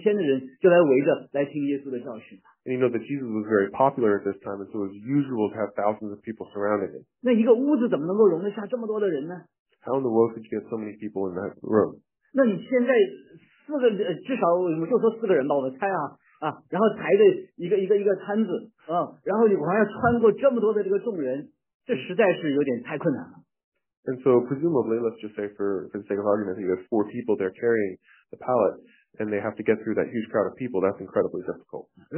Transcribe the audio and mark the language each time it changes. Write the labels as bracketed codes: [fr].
[zh] 主耶稣是极其的有魅力啊，很多人，这个常常是成百上千的人就来围着来听耶稣的教训。 [en] And you know that Jesus was very popular at this time, and so it was usual to have thousands of people surrounding him. [zh] 那一个屋子怎么能够容得下这么多的人呢? [en] How in the world could you get so many people in that room? [zh] 那你现在四个，至少我就说四个人吧，我猜啊，然后抬着一个摊子，然后你好像穿过这么多的这个众人，这实在是有点太困难了。 [en] And so presumably, let's just say for the sake of argument, you have four people there carrying the pallet. And they have to get through that huge crowd of people, that's incredibly difficult.